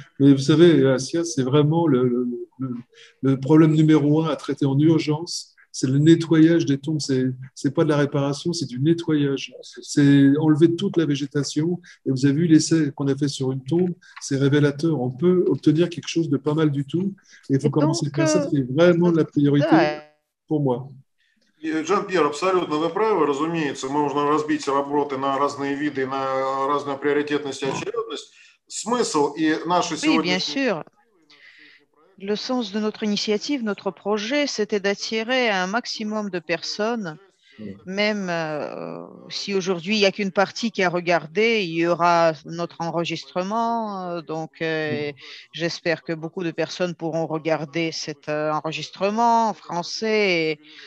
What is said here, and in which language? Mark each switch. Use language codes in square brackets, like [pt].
[fr] Mais vous savez, Asia, c'est vraiment le problème numéro un à traiter en urgence, c'est le nettoyage des tombes. C'est pas de la réparation, c'est du nettoyage. C'est enlever toute la végétation. Et vous avez vu l'essai qu'on a fait sur une tombe, c'est révélateur. On peut obtenir quelque chose de pas mal du tout. Et il faut commencer par ça, c'est vraiment la priorité pour moi. [ru] Жан-Пьер, абсолютно вы правы, разумеется, можно разбить работы на разные виды, на разную приоритетность и очередность, [fr] Oui, bien sûr. Le sens de notre initiative, notre projet, c'était d'attirer un maximum de personnes, même si aujourd'hui il n'y a qu'une partie qui a regardé, il y aura notre enregistrement. Donc, j'espère que beaucoup de personnes pourront regarder cet enregistrement en français.